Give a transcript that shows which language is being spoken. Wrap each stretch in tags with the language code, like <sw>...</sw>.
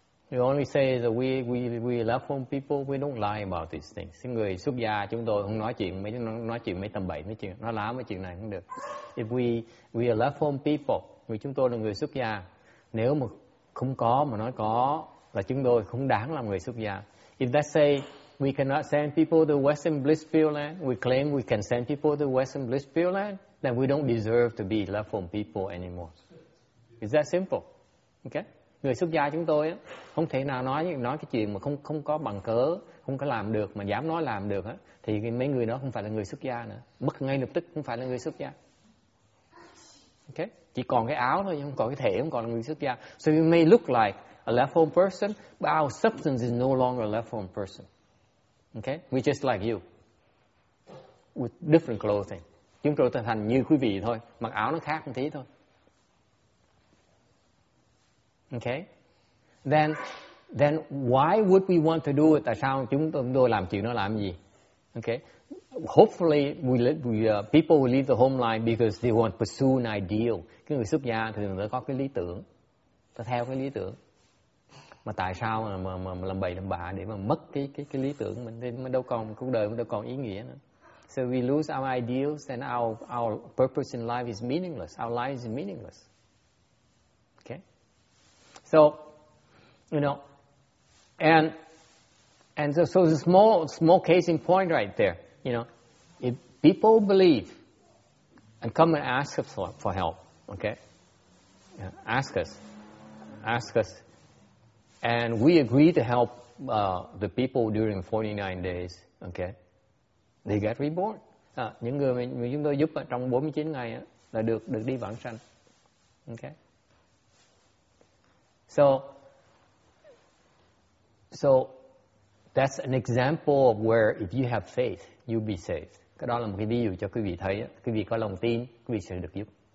<en>You only say that we love home people, we don't lie about these things.</en> <vi>Người xuất gia chúng tôi không nói chuyện mấy tầm bậy, mấy chuyện nói láo mấy chuyện này không được.</vi> <en>If we are love home people,</en> <vi>vì chúng tôi là người xuất gia, nếu mà không có mà nói có là chúng tôi không đáng làm người xuất gia.</vi> <en>If they say we cannot send people to Western Blissfield Land, we claim we can send people to Western Blissfield Land, then we don't deserve to be love home people anymore. It's that simple. Okay?</en> <vi>Người xuất gia chúng tôi không thể nào nói cái chuyện mà không có bằng cớ, không có làm được mà dám nói làm được, thì mấy người đó không phải là người xuất gia nữa, mất ngay lập tức không phải là người xuất gia. Okay? Chỉ còn cái áo thôi, không còn cái thể, không còn là người xuất gia.</vi> <en>So you may look like a left home person, but our substance is no longer a left home person. Okay? We're just like you. With different clothing.</en> <vi>Chúng tôi trở thành như quý vị thôi, mặc áo nó khác một tí thôi.</vi> <en>Okay? Then why would we want to do it?</en> <vi>Tại sao chúng tôi làm chuyện đó làm gì?</vi> <en>Okay? Hopefully people will leave the home life because they want to pursue an ideal.</en> <vi>Cái người xuất gia thường nó có cái lý tưởng. Ta theo cái lý tưởng. Mà tại sao mà làm bậy làm bạ để mà mất cái lý tưởng mình nên mình đâu còn cuộc đời mình đâu còn ý nghĩa nữa.</vi> <en>So we lose our ideals and our purpose in life is meaningless. Our life is meaningless. Okay? So, you know, and so the small case in point right there, you know, if people believe and come and ask us for help, okay? Yeah, ask us, and we agree to help the people during 49 days, okay? They get reborn.</en> <vi>À, những người mà chúng tôi giúp trong 49 ngày á, là được đi vãng sanh.</vi> <en>Okay. So that's an example of where if you have faith, you'll be saved.</en> <vi>Cái đó là một cái ví dụ cho quý vị thấy, quý vị có lòng tin, quý vị sẽ được giúp.</vi>